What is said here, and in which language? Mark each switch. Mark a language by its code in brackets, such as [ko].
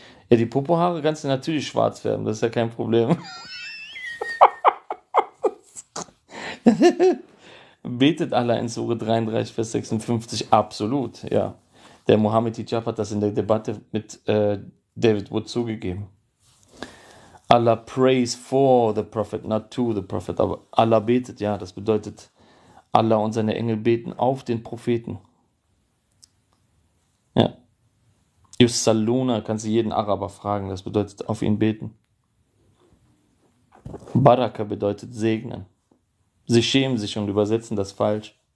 [de] Ja, die Popohaare kannst du natürlich schwarz färben. Das ist ja kein Problem. Betet Allah in Sure 33, Vers 56. Absolut, ja. Der Mohammed Hijab hat das in der Debatte mit David Wood zugegeben. [en] Allah prays for the Prophet, not to the Prophet. [de] Aber Allah betet, ja, das bedeutet, Allah und seine Engel beten auf den Propheten. Ja. Yusalluna, kannst du jeden Araber fragen, das bedeutet auf ihn beten. Baraka bedeutet segnen. Sie schämen sich und übersetzen das falsch.